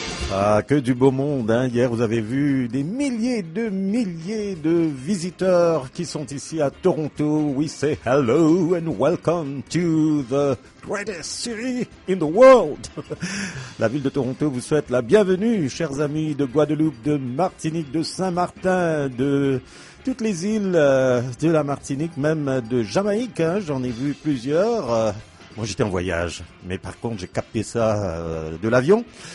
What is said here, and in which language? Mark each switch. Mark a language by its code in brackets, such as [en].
[fr] Ah, que du beau monde, hein. Hier, vous avez vu des milliers de visiteurs qui sont ici à Toronto. [en] We say hello and welcome to the greatest city in the world. [fr] La ville de Toronto vous souhaite la bienvenue, chers amis de Guadeloupe, de Martinique, de Saint-Martin, de toutes les îles de la Martinique, même de Jamaïque, hein. J'en ai vu plusieurs. Moi, j'étais en voyage, mais par contre, j'ai capté ça de l'avion.